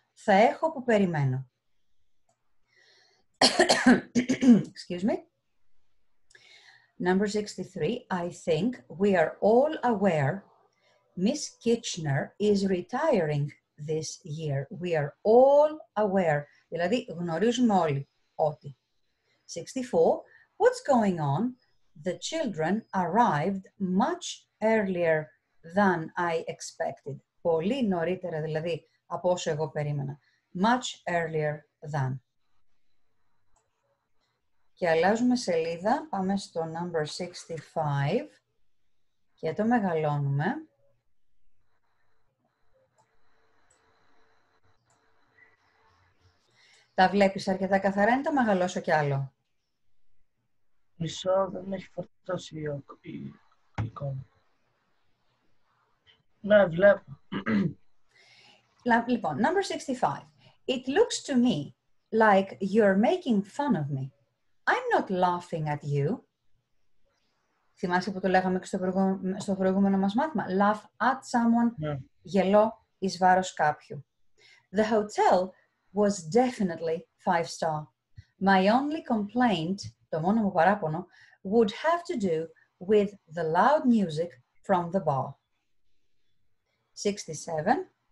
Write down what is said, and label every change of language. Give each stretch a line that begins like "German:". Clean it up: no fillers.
Greek: Θα έχω που περιμένω.
English: Excuse me. Number 63, I think we are all aware Miss Kitchener is retiring this year. We are all aware.
Greek: Δηλαδή, γνωρίζουμε όλοι ότι.
English: 64, what's going on? The children arrived much earlier than I expected.
Greek: Πολύ νωρίτερα, δηλαδή, από όσο εγώ περίμενα.
English: Much earlier than.
Greek: Και αλλάζουμε σελίδα, πάμε στο number 65 και το μεγαλώνουμε. Τα βλέπεις αρκετά καθαρά, είναι το μεγαλώσω κι άλλο. Μισό, δεν έχει φορτώσει η εικόνα. Ναι, βλέπω.
English: Λοιπόν, number 65. It looks to me like you're making fun of me. I'm not laughing at you.
Greek: Θυμάσαι που το λέγαμε και στο προηγούμενο μας μάθημα.
English: Laugh at someone. Yeah.
Greek: Γελώ εις βάρος κάποιου.
English: The hotel was definitely 5-star. My only complaint,
Greek: το μόνο μου παράπονο,
English: would have to do with the loud music from the bar. 67.